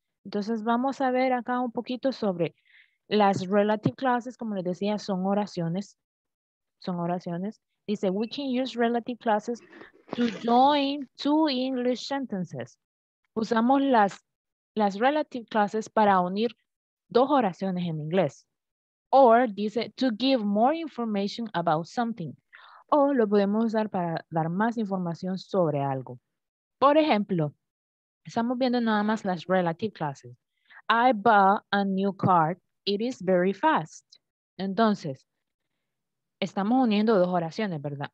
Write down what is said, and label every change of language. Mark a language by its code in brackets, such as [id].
[es] Entonces vamos a ver acá un poquito sobre las relative clauses. Como les decía, son oraciones. [en] Dice, we can use relative clauses to join two English sentences. [es] Usamos las relative clauses para unir dos oraciones en inglés. [en] Or, dice, to give more information about something. [es] O lo podemos usar para dar más información sobre algo. Por ejemplo, estamos viendo nada más las relative clauses. [en] I bought a new car. It is very fast. [es] Entonces, estamos uniendo dos oraciones, ¿verdad?